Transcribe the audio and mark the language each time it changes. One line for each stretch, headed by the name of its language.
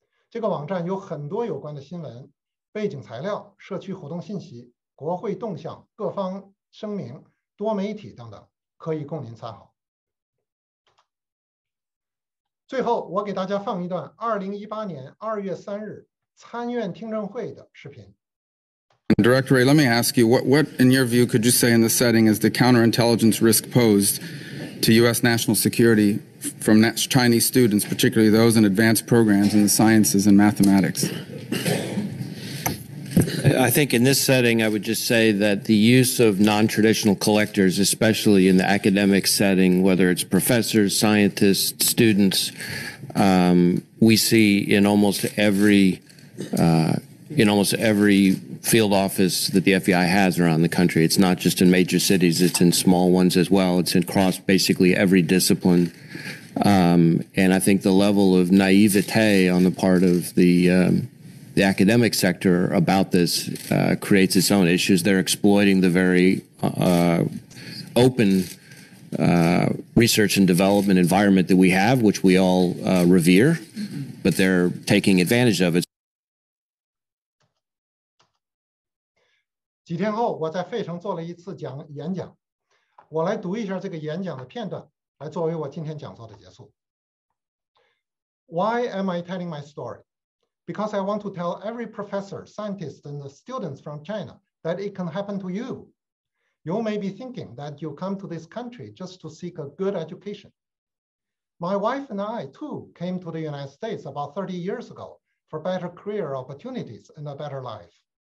Chinese: 这个网站有很多有关的新闻、背景材料、社区活动信息、国会动向、各方声明、多媒体等等，可以供您参考。最后，我给大家放一段2018年2月3日参院听证会的视频。
English: Director Ray, let me ask you, what in your view could you say in this setting is the counterintelligence risk posed to U.S. national security from Chinese students, particularly those in advanced programs in the sciences and mathematics? I think in this setting, I would just say that the use of non-traditional collectors, especially in the academic setting, whether it's professors, scientists, students, we see in almost every field office that the FBI has around the country. It's not just in major cities, it's in small ones as well. It's across basically every discipline. And I think the level of naivete on the part of the, the academic sector about this creates its own issues. They're exploiting the very open research and development environment that we have, which we all revere, but they're taking advantage of it.
Chinese: 几天后，我在费城做了一次演讲，我来读一下这个演讲的片段，来作为我今天讲座的结束。
English: Why am I telling my story? Because I want to tell every professor, scientist, and the students from China that it can happen to you. You may be thinking that you come to this country just to seek a good education. My wife and I, too, came to the United States about 30 years ago for better career opportunities and a better life.